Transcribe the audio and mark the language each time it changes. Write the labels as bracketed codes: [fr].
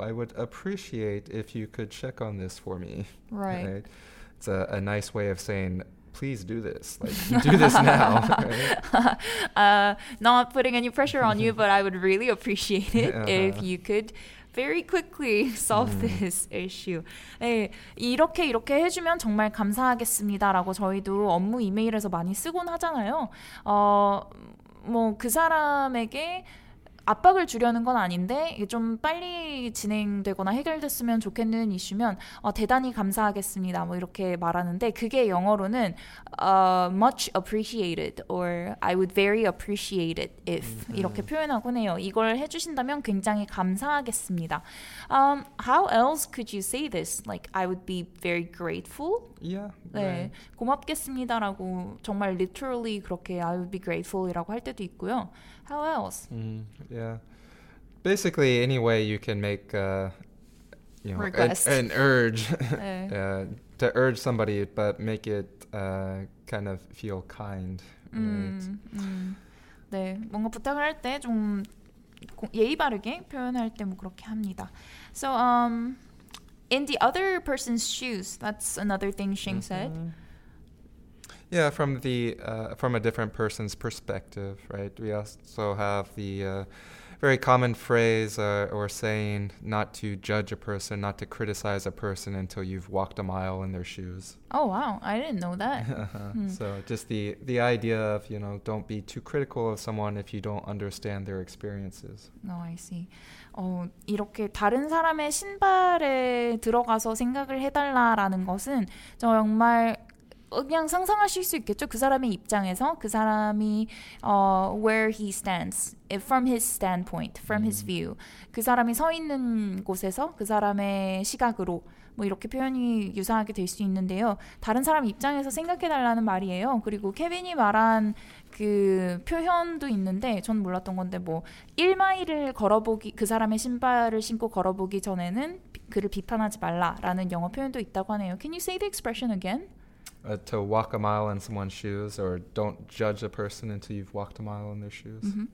[en] I would appreciate if you could check on this for me. Right. Right? It's a nice way of saying, please do this. Like, do this now. Right? Not putting any pressure on you, but I would really appreciate it if you could very quickly solve this issue. [ko] 네, 이렇게 이렇게 해주면 정말 감사하겠습니다라고 저희도 업무 이메일에서 많이 쓰곤 하잖아요. 뭐 그 사람에게 압박을 주려는 건 아닌데 좀 빨리 진행되거나 해결됐으면 좋겠는 이슈면 대단히 감사하겠습니다 뭐 이렇게 말하는데 그게 영어로는 [en] much appreciated or I would very appreciate it if [ko] 이렇게 표현하곤 해요. 이걸 해주신다면 굉장히 감사하겠습니다. [en] How else could you say this? Like I would be very grateful? Yeah. [ko] 네, [en] right. [ko] 고맙겠습니다라고 정말 literally 그렇게 [en] I would be grateful [ko] 이라고 할 때도 있고요. [en] How else? Yeah. Basically, any way you can make an urge to urge somebody, but make it kind of feel kind. Right? [ko] 네, 뭔가 부탁을 할 때 좀 예의 바르게 표현할 때 뭐 그렇게 합니다. [en] So, in the other person's shoes, that's another thing Xing said. Yeah, from the from a different person's perspective, right? We also have the very common phrase or saying not to judge a person, not to criticize a person until you've walked a mile in their shoes. Oh, wow. I didn't know that. So just the idea of, don't be too critical of someone if you don't understand their experiences. Oh, I see. [ko] 이렇게 다른 사람의 신발에 들어가서 생각을 해달라라는 것은 정말... 그냥 상상하실 수 있겠죠. 그 사람의 입장에서 그 사람이 [en] where he stands from his standpoint, from his view. [ko] 그 사람이 서 있는 곳에서 그 사람의 시각으로 뭐 이렇게 표현이 유사하게 될 수 있는데요. 다른 사람 입장에서 생각해 달라는 말이에요. 그리고 케빈이 말한 그 표현도 있는데 전 몰랐던 건데 뭐 1마일을 걸어보기 그 사람의 신발을 신고 걸어보기 전에는 그를 비판하지 말라라는 영어 표현도 있다고 하네요. [en] Can you say the expression again? To walk a mile in someone's shoes or don't judge a person until you've walked a mile in their shoes.